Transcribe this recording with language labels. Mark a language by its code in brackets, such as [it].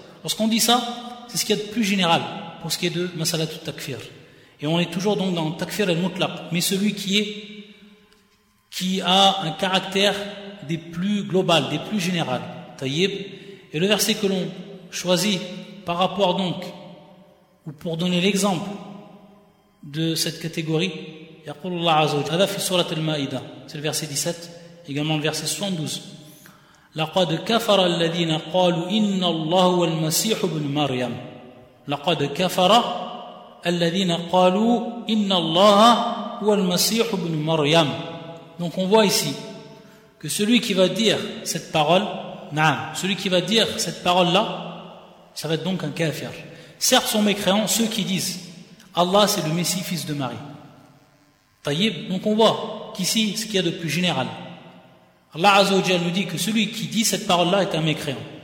[fr] Lorsqu'on dit ça, c'est ce qu'il y a de plus général pour ce qui est de masalatu takfir, et on est toujours donc dans takfir al-mutlaq, mais celui qui a un caractère des plus globales, des plus générales, taïb. Et le verset que l'on choisi par rapport donc, ou pour donner l'exemple de cette catégorie, [ar] يقول الله عز وجل في سورة المائدة, [fr] c'est le verset 17, également le verset 72. [ar] لقد كفر الذين قالوا إن الله هو المسيح ابن مريم. لقد كفر الذين قالوا إن الله هو المسيح ابن مريم. [fr] Donc on voit ici que celui qui va dire cette parole, نعم, celui qui va dire cette parole là, ça va être donc un kafir. Certes, sont mécréants ceux qui disent Allah c'est le Messie fils de Marie. Taïb, donc on voit qu'ici, ce qu'il y a de plus général. Allah Azza wa Jalla nous dit que celui qui dit cette parole-là est un mécréant.